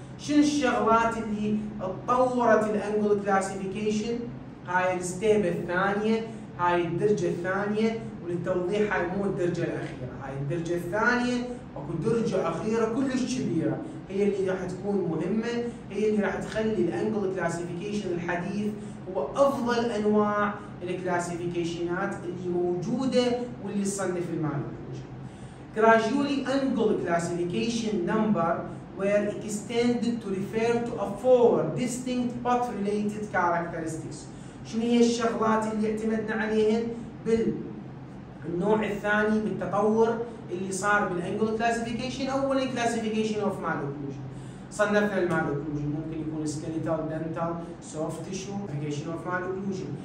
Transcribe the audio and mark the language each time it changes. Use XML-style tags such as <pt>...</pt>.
<ar>شنو الشغلات اللي طورت الأنجل كلاسيفيكيشن؟ هاي الستيب الثانية، هاي الدرجة الثانية، للتوضيح هاي مو الدرجة الأخيرة، هاي الدرجة الثانية اكو درجة أخيرة كلش كبيرة هي اللي راح تكون مهمة، هي اللي راح تخلي الأنجل كلاسيفيكيشن الحديث هو أفضل أنواع الكلاسيفيكيشنات اللي موجودة واللي تصنف المعلومات.</ar> <en>Gradually angle classification number were extended to refer to a four distinct but related characteristics.</en> <ar>شنو هي الشغلات اللي اعتمدنا عليهن؟ بال النوع الثاني بالتطور اللي صار بالانجل كلاسيفيكيشن، اول كلاسيفيكيشن اوف مالوكلوجن صنفنا المالوكلوجن ممكن يكون سكيليتال دنتال سوفت تيشو كلاسيفيكيشن اوف مالوكلوجن.</ar>